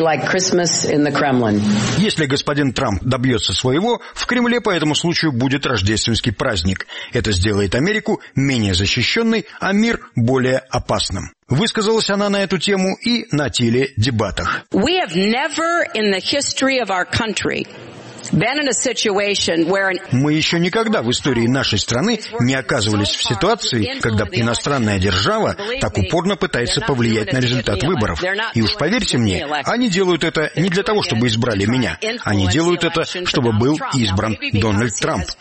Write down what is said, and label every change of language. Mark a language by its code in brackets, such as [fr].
[ru] Если господин Трамп добьется своего, в Кремле по этому случаю будет рождественский праздник. Это сделает Америку менее защищенной, а мир более опасным. Высказалась она на эту тему и на теледебатах. [en] We have never in the history of our country been in a situation where... [ru] Мы еще никогда в истории нашей страны не оказывались в ситуации, когда иностранная держава так упорно пытается повлиять на результат выборов. И уж поверьте мне, они делают это не для того, чтобы избрали меня. Они делают это, чтобы был избран Дональд Трамп.